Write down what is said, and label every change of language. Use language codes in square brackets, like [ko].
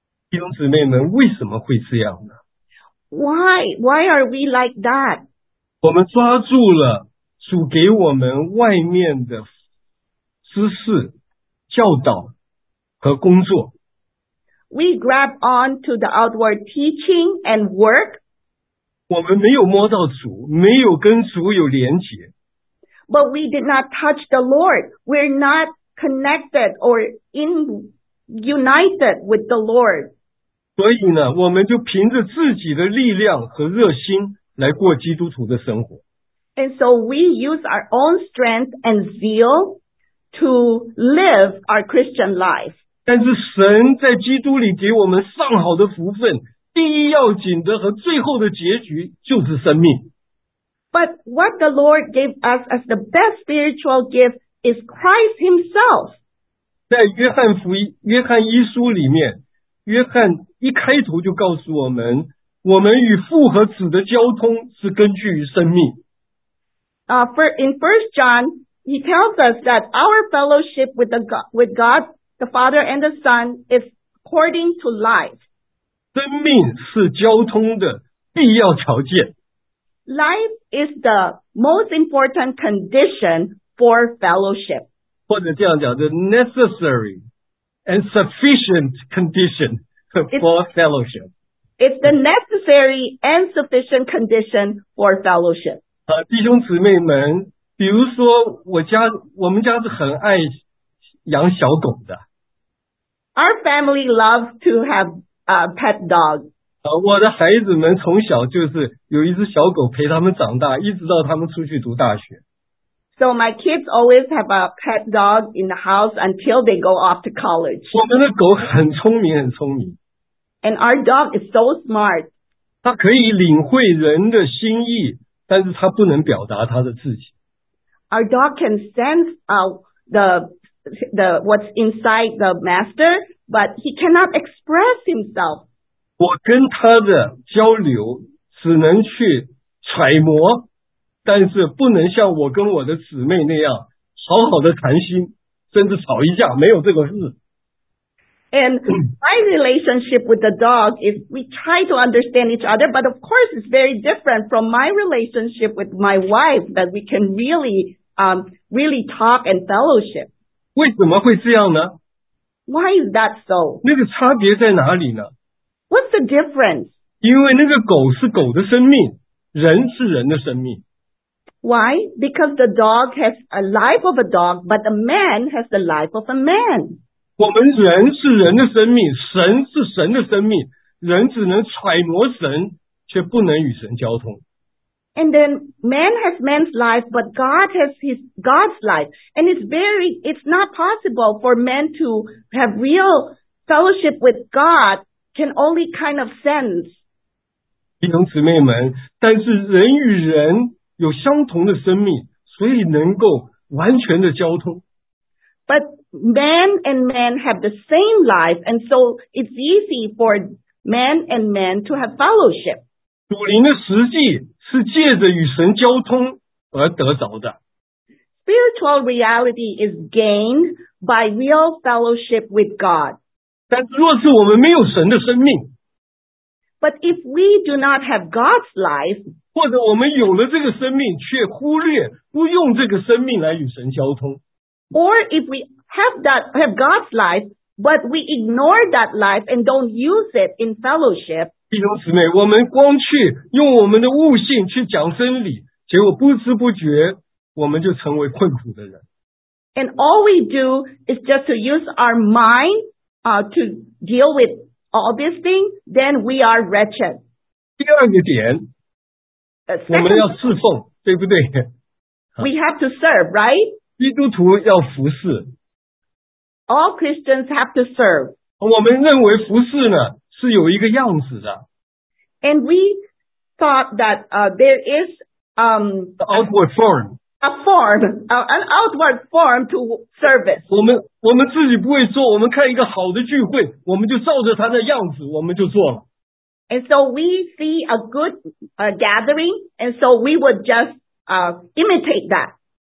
[zh] 弟兄姊妹们，为什么会这样呢？ [en] Why are we like that? [zh] 我们抓住了主给我们外面的知识、教导和工作。 [en] We grab on to the outward teaching and work. [zh] 我们没有摸到主，没有跟主有连结。 [en] But we did not touch the Lord. We're not connected or in united with the Lord. [zh] 所以呢，我们就凭着自己的力量和热心来过基督徒的生活。 [en] And so we use our own strength and zeal to live our Christian life. [zh] 但是神在基督里给我们上好的福分，第一要紧的和最后的结局就是生命。 [en] But what the Lord gave us as the best spiritual gift is Christ himself. [zh] 在约翰福音，约翰一书里面，约翰一开头就告诉我们，我们与父和子的交通是根据于生命。 [en] In 1 John, he tells us that our fellowship with God, the Father and the Son is according to life. [zh] 生命是交通的必要条件。 [en] Life is the most important condition for fellowship. [zh] 或者这样讲, [en] the necessary and sufficient condition for fellowship. It's the necessary and sufficient condition for fellowship. [zh] 弟兄姊妹们，比如说我们家是很爱养小狗的。 [en] Our family loves to have a pet dog. [zh] 我的孩子们从小就是有一只小狗陪他们长大，一直到他们出去读大学。 [en] So my kids always have a pet dog in the house until they go off to college. [zh] 我们的狗很聪明，很聪明。 [en] And our dog is so smart. [zh] 它可以领会人的心意，但是它不能表达它的自己。 [en] Our dog can sense the what's inside the master, but he cannot express himself. [zh] 我跟它的交流只能去揣摩。但是不能像我跟我的姊妹那样好好的谈心，甚至吵一架，没有这个事。 [en] And my relationship with the dog is we try to understand each other, but of course it's very different from my relationship with my wife that we can really, really talk and fellowship. [zh] 为什么会这样呢? [en] Why is that so? [zh] 那个差别在哪里呢? [en] What's the difference? [zh] 因为那个狗是狗的生命,人是人的生命。 [en] Why? Because the dog has a life of a dog, but the man has the life of a man. [zh] 我们人是人的生命，神是神的生命，人只能揣摩神，却不能与神交通。 [en] And then man has man's life, but God has his God's life. And it's not possible for man to have real fellowship with God, can only kind of sense. [zh] 弟兄姊妹们，但是人与人有相同的生命，所以能够完全的交通。 [en] But man and man have the same life, and so it's easy for man and man to have fellowship. [zh] 属灵的实际是借着与神交通而得着的。 [en] Spiritual reality is gained by real fellowship with God. [zh] 但若是我们没有神的生命， [en] But if we do not have God's life, [zh] 或者我们有了这个生命却忽略不用这个生命来与神交通。 [en] Or if we have God's life, but we ignore that life and don't use it in fellowship. [zh] 弟兄姊妹，我们光去用我们的悟性去讲真理，结果不知不觉我们就成为困苦的人。 [en] And all we do is just to use our mind, to deal with all these things, then we are wretched. [zh] 第二个点，我们要侍奉，对不对？ [en] We have to serve, right? [zh] 基督徒要服侍。 [en] All Christians have to serve. [zh] 我们认为服侍呢是有一个样子的。 [en] And we thought that there is an outward form. An outward form to service. [zh] 我们自己不会做，我们看一个好的聚会，我们就照着他的样子，我们就做了。 [en] And so we see a good gathering, and so we would just imitate that.